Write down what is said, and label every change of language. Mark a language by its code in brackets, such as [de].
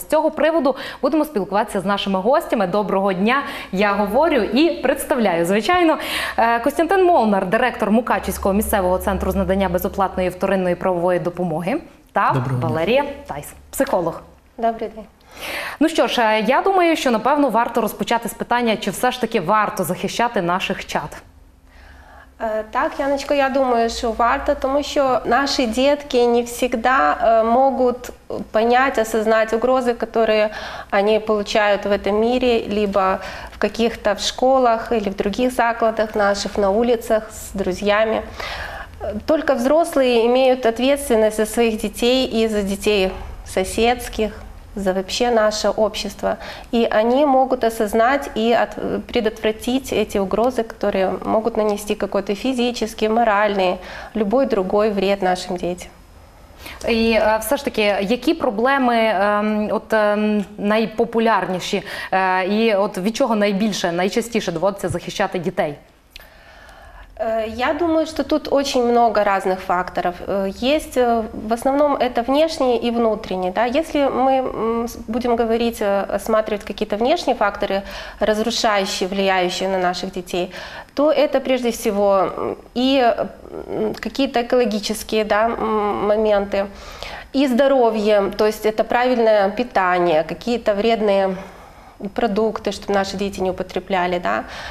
[uk] З цього приводу будемо спілкуватися з нашими гостями. Доброго дня, я говорю і представляю, звичайно, Костянтин Молнар, директор Мукачівського місцевого центру з надання безоплатної вторинної правової допомоги. Та Валерія Тайс, психолог. Добрий день. Ну що ж, я думаю, що, напевно, варто розпочати з питання, чи все ж таки варто захищати наших чат. Так, Яночко, я думаю, що варто, тому що наші дітки не завжди можуть [ru] понять, осознать угрозы, которые они получают в этом мире, либо в каких-то школах или в других закладах наших, на улицах с друзьями. Только взрослые имеют ответственность за своих детей и за детей соседских, за вообще наше общество. И они могут осознать и предотвратить эти угрозы, которые могут нанести какой-то физический, моральный, любой другой вред нашим детям. [uk] І все ж таки, які проблеми найпопулярніші і від чого найбільше, найчастіше доводиться захищати дітей? [ru] Я думаю, что тут очень много разных факторов. Есть в основном это внешние и внутренние. Да? Если мы будем говорить, осматривать какие-то внешние факторы, разрушающие, влияющие на наших детей, то это прежде всего и какие-то экологические, да, моменты, и здоровье, то есть это правильное питание, какие-то вредные продукты, чтобы наши дети не употребляли. Да?